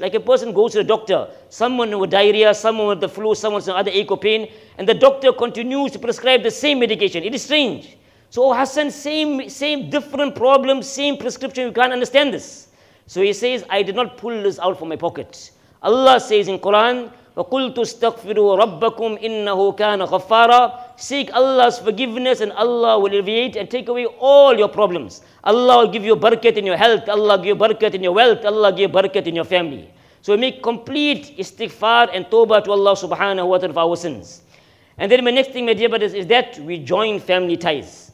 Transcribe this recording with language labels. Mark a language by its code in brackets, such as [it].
[en] Like a person goes to the doctor, someone with diarrhea, someone with the flu, someone with some other ache or pain, and the doctor continues to prescribe the same medication. It is strange. So Hassan, same different problem, same prescription. You can't understand this. So he says, "I did not pull this out from my pocket." Allah says in Quran, [ar] "وَقُلْتُ اسْتَغْفِرُوا رَبَّكُمْ إِنَّهُ كَانَ غَفَّارًا." [en] Seek Allah's forgiveness and Allah will alleviate and take away all your problems. Allah will give you barakat in your health. Allah will give you barakat in your wealth. Allah will give you barakat in your family. So we make complete istighfar and tawbah to Allah subhanahu wa ta'ala for our sins. And then my next thing, my dear brothers, is that we join family ties.